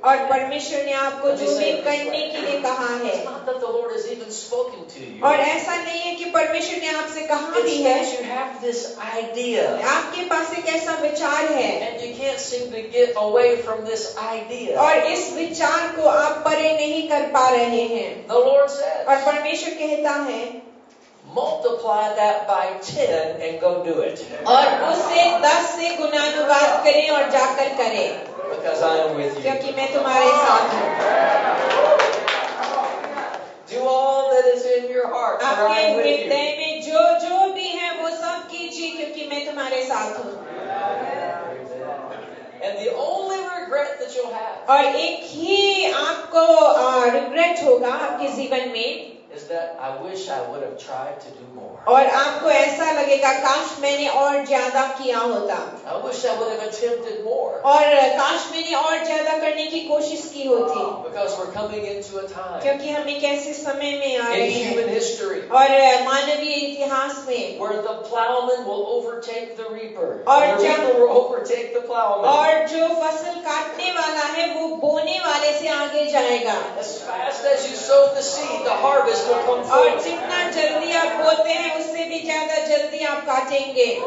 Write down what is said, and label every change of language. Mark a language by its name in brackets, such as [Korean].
[Hindi] और परमेश्वर ने आपको जो भी करने के लिए कहा है, [English] it's not that the Lord has even spoken to you. [Hindi] और ऐसा नहीं है कि परमेश्वर ने आपसे कहा भी है. [English] You have this idea. [Hindi] आपके पास एक ऐसा विचार है. [English] And you can't seem to get away from this idea. [Hindi] और इस विचार को आप परे नहीं कर पा रहे हैं. [English] The Lord says. [Hindi] और परमेश्वर कहता है. [English] Multiply that by 10 and go do it. [Hindi] और उसे 10 से गुणानुवाद करें और जाकर करें. [English] Because I am with you. [Hindi] क्योंकि मैं तुम्हारे साथ हूँ. [English] Do all that is in your heart. [Hindi] आपके हृदय में जो जो भी है वो सब कीजिए क्योंकि मैं तुम्हारे साथ हूँ. [English] And the only regret that you'll have. [Hindi] और एक ही आपको regret होगा आपके जीवन में. [English] Is that I wish I would have tried to do more. [Hindi] और आपको ऐसा लगेगा काश मैंने और ज्यादा किया होता. [English] I wish I would have attempted more. [Hindi] और काश मैंने और ज्यादा करने की कोशिश की होती. [English] Because we're coming into a time. [Hindi] क्योंकि हम एक ऐसे समय में आ रहे हैं. [English] In human history. [Hindi] और मानवीय इतिहास में. [English] Where the plowman will overtake the reaper. [Hindi] और [English] the reaper will overtake the plowman. [Hindi] और जो फसल काटने वाला है वो बोने वाले से आगे जाएगा. [English] As fast as you sow the seed, the harvest. [Hindi] और जितना जल्दी आप बोते हैं उससे भी ज्यादा जल्दी आप काटेंगे.